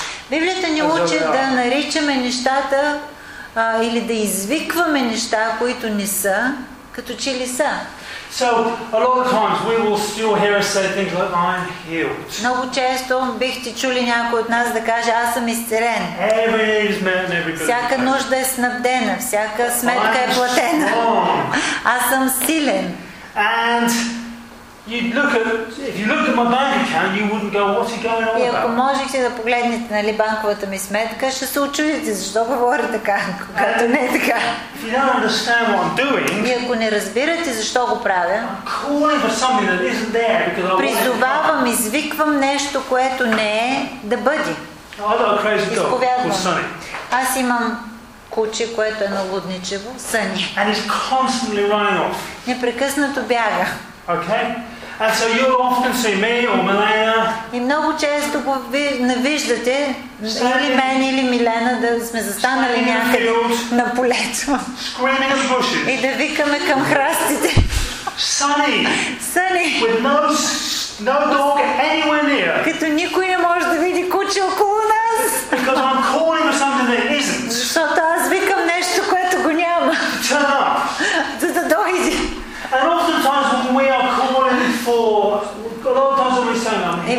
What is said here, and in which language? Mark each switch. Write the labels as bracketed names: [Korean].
[Bulgarian] Библията ни учи да наричаме нещата или да извикваме неща, които не са, като че ли са. [English] So a lot of times we will still hear us say things like I'm healed. [Bulgarian] Много често бихте чули някой от нас да каже аз съм изцелен. [English] Every need is met and every good. [Bulgarian] Всяка нужда е снабдена, всяка сметка е платена. Аз съм силен. [English] And if you look at my bank account, you wouldn't go, what's he going on about? [Bulgarian] И ако можете да погледнете на банковата ми сметка, ще се учудите защо говоря така, когато не е така. [English] If you don't understand what I'm doing, [Bulgarian] и ако не разбирате защо го правя, [English] calling for something that isn't there because I want it to come. [Bulgarian] Призовавам, извиквам нещо, което не е, да бъде. Изповядвам. Аз имам куче, което е на лудничево, Съни. [English] And it's constantly running off. [Bulgarian] Непрекъснато бяга. [English] Okay. And so you often see me or Milena. [Bulgarian] И много често го виждате или мен или Милена да сме застанали някъде на полето. [English] Screaming in the bushes. [Bulgarian] И да викаме към храстите. [English] Sunny. Sunny. With no dog anywhere near. [Bulgarian] Като никой не може да види куче около нас. [English] Because I'm calling for something that isn't. [Bulgarian] Защото аз викам нещо, което го няма. [English] Turn up. [Bulgarian] Да дойди. [English] And oftentimes when we are calling for, a lot of times when we say,